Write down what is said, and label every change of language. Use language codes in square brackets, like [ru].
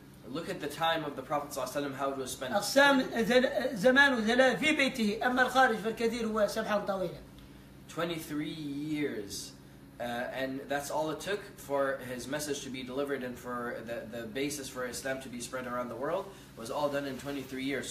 [en] Look at the time of the Prophet ﷺ, how it was spent. [ar] أقسام زمان وثلاث في بيته أما الخارج فالكثير هو سبحا طويلة. [en] 23 years, and that's all it took for his message to be delivered and for the basis for Islam to be spread around the world was all done in 23 years.